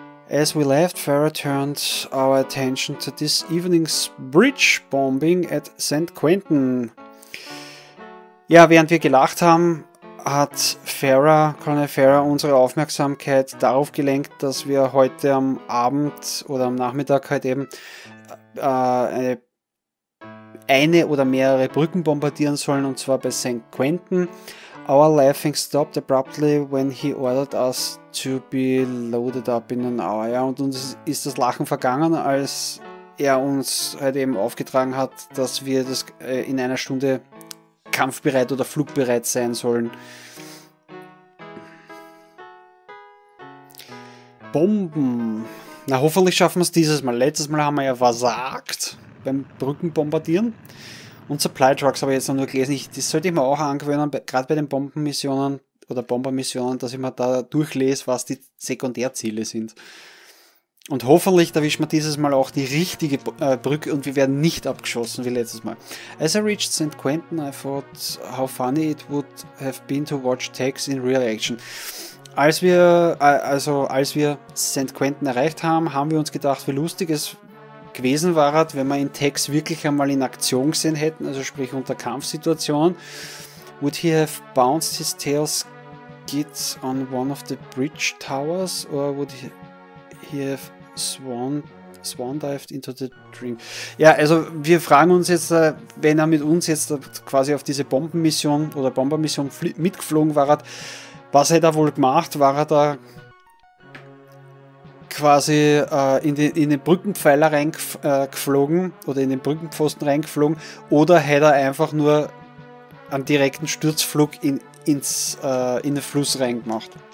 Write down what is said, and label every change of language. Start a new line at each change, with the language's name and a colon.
English: As we left, Farah turned our attention to this evening's bridge bombing at St. Quentin.
German: Ja, während wir gelacht haben, hat Farah, Colonel Farah, unsere Aufmerksamkeit darauf gelenkt, dass wir heute am Abend oder am Nachmittag halt eben eine oder mehrere Brücken bombardieren sollen, und zwar bei St. Quentin.
English: Our laughing stopped abruptly when he ordered us to be loaded up in an hour.
German: Ja, und uns ist das Lachen vergangen, als er uns halt eben aufgetragen hat, dass wir das in einer Stunde kampfbereit oder flugbereit sein sollen. Bomben. Na, hoffentlich schaffen wir es dieses Mal. Letztes Mal haben wir ja versagt beim Brückenbombardieren. Und Supply Trucks habe ich jetzt noch nur gelesen. Das sollte ich mir auch angewöhnen, gerade bei den Bombenmissionen oder Bombermissionen, dass ich mir da durchlese, was die Sekundärziele sind. Und hoffentlich erwischen wir dieses Mal auch die richtige Brücke und wir werden nicht abgeschossen wie letztes Mal.
English: As I reached St. Quentin, I thought how funny it would have been to watch Tex in real action.
German: Als wir St. Quentin erreicht haben, haben wir uns gedacht, wie lustig es gewesen war, wenn wir in Tex wirklich einmal in Aktion gesehen hätten, also sprich unter Kampfsituationen.
English: Would he have bounced his tail skid on one of the bridge towers or would he... Hier swan-dived into the dream.
German: Ja, also wir fragen uns jetzt, wenn er mit uns jetzt quasi auf diese Bombenmission oder Bombermission mitgeflogen war, was hätte er wohl gemacht? War er da quasi in den Brückenpfeiler reingeflogen oder in den Brückenpfosten reingeflogen, oder hätte er einfach nur einen direkten Sturzflug in den Fluss reingemacht?